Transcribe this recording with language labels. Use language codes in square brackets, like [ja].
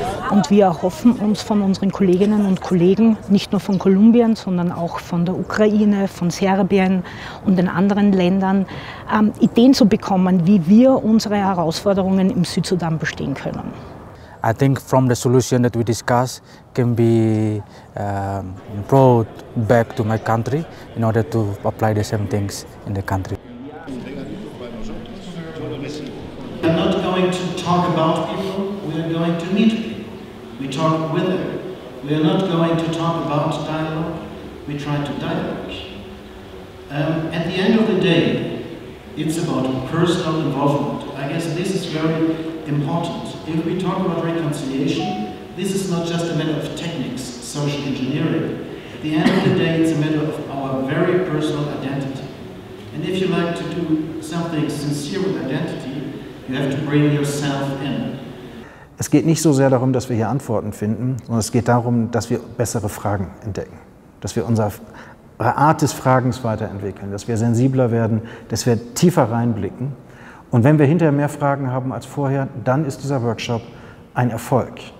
[de] Und wir erhoffen uns von unseren Kolleginnen und Kollegen, nicht nur von Kolumbien, sondern auch von der Ukraine, von Serbien und den anderen Ländern, Ideen zu bekommen, wie wir unsere Herausforderungen im Südsudan bestehen können. [en] I think from the solution that we discuss can be brought back to my country in order to apply the same things in the country. I'm not going to talk about people, we are going to meet people. We talk with them. We are not going to talk about dialogue. We try to dialogue. At the end of the day, it's about personal involvement. I guess this is very important. If we talk about reconciliation, this is not just a matter of techniques, social engineering. At the end of the day, it's a matter of our very personal identity. And if you like to do something sincere with identity, you have to bring yourself in. [de] Es geht nicht so sehr darum, dass wir hier Antworten finden, sondern es geht darum, dass wir bessere Fragen entdecken, dass wir unsere Art des Fragens weiterentwickeln, dass wir sensibler werden, dass wir tiefer reinblicken. Und wenn wir hinterher mehr Fragen haben als vorher, dann ist dieser Workshop ein Erfolg.